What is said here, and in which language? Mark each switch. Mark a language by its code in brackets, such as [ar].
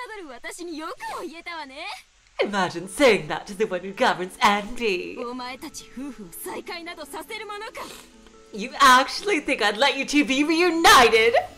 [ja] 私によくも言えたわね。 [en] Imagine saying that to the one who governs Andy. [ja] お前たち夫婦を再会などさせるものか。 [en] You actually think I'd let you two be reunited?